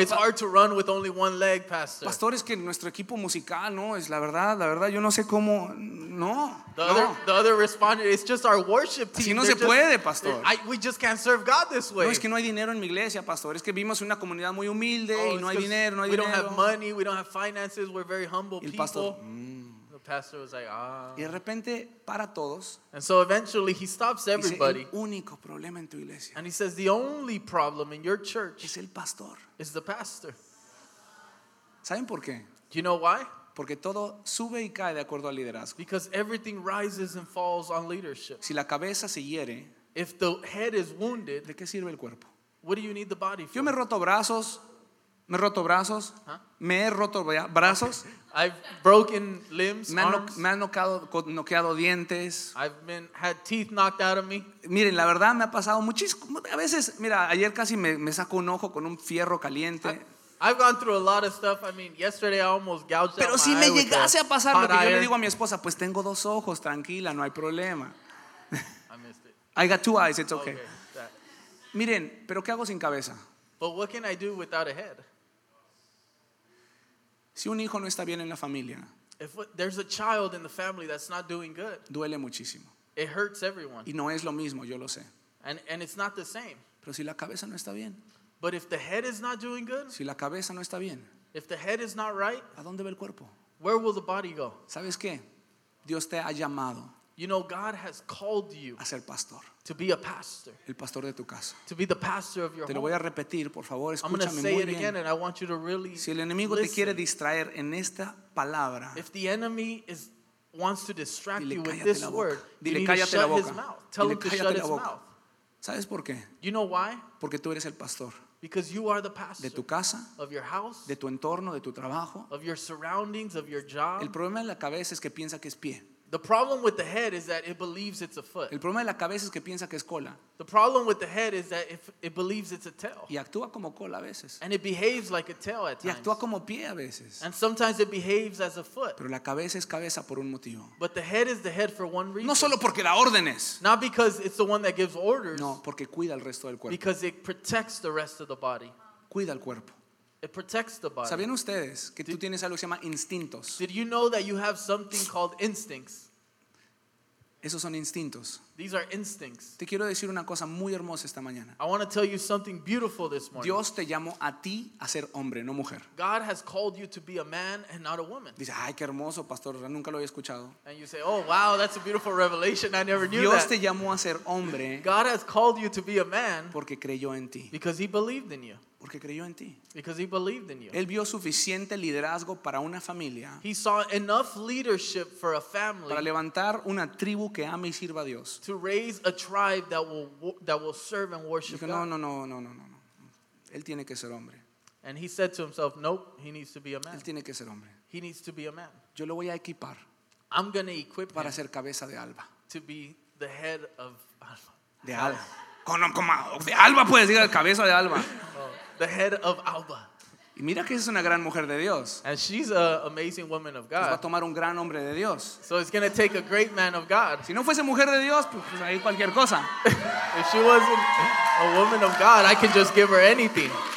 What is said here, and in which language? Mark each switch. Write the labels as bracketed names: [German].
[English] it's hard to run with only one leg, pastor. [Spanish] Pastor, es que nuestro equipo musical, no, es la verdad, yo no sé cómo, no. [English] The other responded, it's just our worship team. [Spanish] Si no se puede, pastor. [English] We just can't serve God this way. [Spanish] No, es que no hay dinero en mi iglesia, pastor, es que vivimos en una comunidad muy humilde y no hay dinero, [English] we don't have money, we don't have finances, we're very humble people. [Spanish] El pastor, [English] The pastor was like, ah. [Spanish] Y de repente, para todos. [English] And so eventually he stops everybody. [Spanish] Dice, el único problema en tu iglesia. [English] And he says, the only problem in your church [Spanish] es el pastor. [English] Is the pastor. [Spanish] ¿Saben por qué? [English] Do you know why? [Spanish] Porque todo sube y cae de acuerdo al liderazgo. [English] Because everything rises and falls on leadership. [Spanish] Si la cabeza se hiere, [English] if the head is wounded, [Spanish] ¿de qué sirve el cuerpo? [English] What do you need the body for? [Spanish] Yo me he roto brazos. Me he roto brazos. [English] Huh? [Spanish] Me he roto brazos. [English] Okay. I've broken limbs, [Spanish] me [English] arms. [Spanish] Me han noqueado dientes. [English] I've been had teeth knocked out of me. [Spanish] Miren, la verdad me ha pasado muchísimo. A veces, mira, ayer casi me saco un ojo con un fierro caliente. [English] I've gone through a lot of stuff. I mean, yesterday I almost gouged out my eye. Pero si me llegase a pasar lo que yo le digo a mi esposa, pues tengo dos ojos, tranquila, no hay problema. I missed it. I got two eyes, it's okay. Okay. [Spanish] Miren, pero ¿qué hago sin cabeza? [English] But what can I do without a head? [Spanish] Si un hijo no está bien en la familia, [English] if there's a child in the family that's not doing good, [Spanish] duele muchísimo. [English] It hurts everyone. [Spanish] Y no es lo mismo, yo lo sé. [English] And it's not the same. [Spanish] Pero si la cabeza no está bien, [English] but if the head is not doing good, [Spanish] si la cabeza no está bien, [English] if the head is not right, [Spanish] ¿a dónde va el cuerpo? [English] Where will the body go? [Spanish] ¿Sabes qué? Dios te ha llamado. [English] You know, God has called you [Spanish] a ser pastor. [English] To be a pastor. [Spanish] El pastor de tu casa. [English] To be the pastor of your home. [Spanish] Te lo voy a repetir, por favor, escúchame muy bien. [English] I'm going to say it again, [Spanish] bien. [English] And I want you to really listen. [Spanish] Si el enemigo [English] listen, [Spanish] te quiere distraer en esta palabra, [English] if the enemy is wants to distract [Spanish] dile, [English] you with this word, [Spanish] dile, [English] you need to shut [Spanish] la boca. [English] His mouth. Tell [Spanish] dile, [English] him to shut his mouth. [Spanish] ¿Sabes por qué? [English] You know why? [Spanish] Porque tú eres el pastor. [English] Because you are the pastor [Spanish] de tu casa, [English] of your house, [Spanish] de tu entorno, de tu trabajo, [English] of your surroundings, of your job. [Spanish] El problema en la cabeza es que piensa que es pie. [English] The problem with the head is that it believes it's a foot. [Spanish] El problema de la cabeza es que piensa que es cola. [English] The problem with the head is that it believes it's a tail. [Spanish] Y actúa como cola a veces. [English] And it behaves like a tail at times. [Spanish] Y actúa como pie a veces. [English] And sometimes it behaves as a foot. [Spanish] Pero la cabeza es cabeza por un motivo. [English] But the head is the head for one reason. [Spanish] No solo porque da órdenes. [English] Not because it's the one that gives orders. [Spanish] No, porque cuida el resto del cuerpo. [English] Because it protects the rest of the body. [Spanish] Cuida el cuerpo. [English] It protects the body. [Spanish] ¿Sabían ustedes que tú tienes algo que se llama instintos? [English] Did you know that you have something called instincts? [Spanish] Esos son instintos. [English] These are instincts. [Spanish] Te quiero decir una cosa muy hermosa esta mañana. [English] I want to tell you something beautiful this morning. [Spanish] Dios te llamó a ti a ser hombre, no mujer. [English] God has called you to be a man and not a woman. [Spanish] Dice, ay, qué hermoso, pastor, nunca lo había escuchado. [English] And you say, oh, wow, that's a beautiful revelation. I never knew [Spanish] Dios [English] that. [Spanish] Dios te llamó a ser hombre. [English] God has called you to be a man. [Spanish] Porque creyó en ti. [English] Because he believed in you. [Spanish] Porque creyó en ti. [English] Because he believed in you. [Spanish] Él vio suficiente liderazgo para una familia. [English] He saw enough leadership for a family. [Spanish] Para levantar una tribu que ame y sirva a Dios. [English] To raise a tribe that will serve and worship [Spanish] dijo, [English] God. [Spanish] No. Él tiene que ser hombre. [English] And he said to himself, nope, he needs to be a man. [Spanish] Él tiene que ser hombre. [English] He needs to be a man. [Spanish] Yo lo voy a equipar. [English] I'm going to equip [Spanish] para [English] him [Spanish] ser cabeza de Alba. [English] To be the head of Alba. [Spanish] De Alba. De Alba puedes decir, cabeza de Alba. [English] The head of Alba. [Spanish] Y mira que es una gran mujer de Dios. [English] And she's an amazing woman of God. [Spanish] Pues va a tomar un gran hombre de Dios. [English] So it's going to take a great man of God. [Spanish] Si no fuese mujer de Dios, pues ahí cualquier cosa. [English] If she wasn't a woman of God, I could just give her anything.